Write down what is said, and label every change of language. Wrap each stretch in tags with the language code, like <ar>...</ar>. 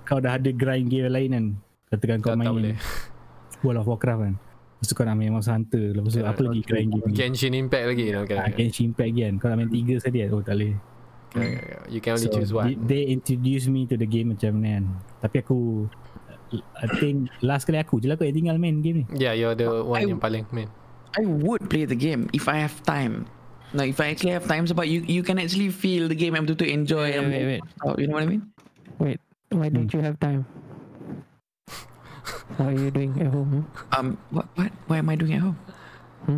<ms>Kau dah ada grind game lain kan? Katakan kau main World of Warcraft kan? Lepas tu kau nak main Monster Hunter. Lepas tu apa lagi grind game ni? Genshin Impact lagi. Genshin Impact lagi kan? Kau nak main 3 sahaja kan? Oh tak boleh.</ms> <en>You can only choose one. They introduce me to the game</en> <ms>macam mana kan? Tapi aku...</ms> <en>I think last</en> <ms>kali aku je lah aku yang tinggal main game ni.</ms> <en>Yeah, you're the one</en> <ms>yang paling main.</ms> <en>I would play the game if I have time. Like if I actually have time, sebab you can actually feel the game to enjoy. Wait. You know what I mean? Wait, why don't you have time? What are you doing at home? What am I doing at home? Hmm?</en>